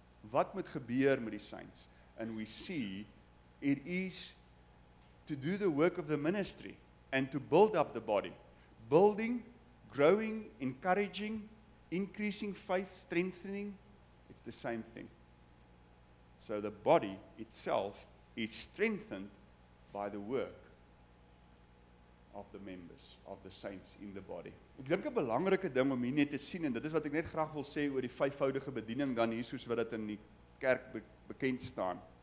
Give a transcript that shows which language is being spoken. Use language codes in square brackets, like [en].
[af] Wat moet gebeur met die saints? [en] And we see it is to do the work of the ministry and to build up the body. Building, growing, encouraging, increasing faith, strengthening, it's the same thing. So the body itself is strengthened by the work of the members of the saints in the body. [af] Ek dink 'n belangrike ding om hier net te sien en dit is wat ek net graag wil sê oor die vyfvoudige bediening dan hier soos wat dit in die kerk bekend staan.